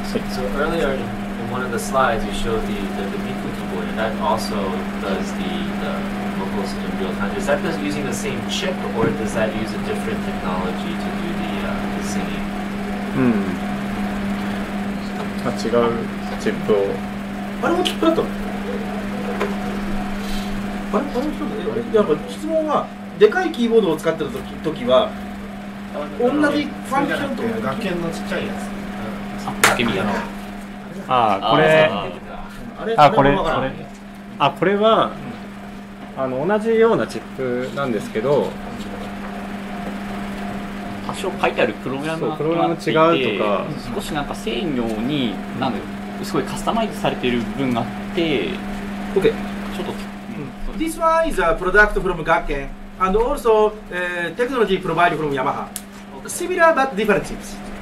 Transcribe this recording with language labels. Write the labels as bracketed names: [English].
[English] So earlier in one of the slides you showed the Miku keyboard and that also does the vocals in real time. Is that just using the same chip or does that use a different technology to do the singing? [Japanese] あ、違うチップを。あれもチップだったの？あれ、あの人だよ。やっぱ質問は、でかいキーボードを使ってるときは、同じファンクションと楽器のちっちゃいやつ。これは同じようなチップなんですけど多少書いてあるプログラムが違うとか少しなんか制御になんかすごいカスタマイズされている部分があって OK ちょっと、 [English] This one is a product from Gakken and also technology provided from Yamaha similar but different chips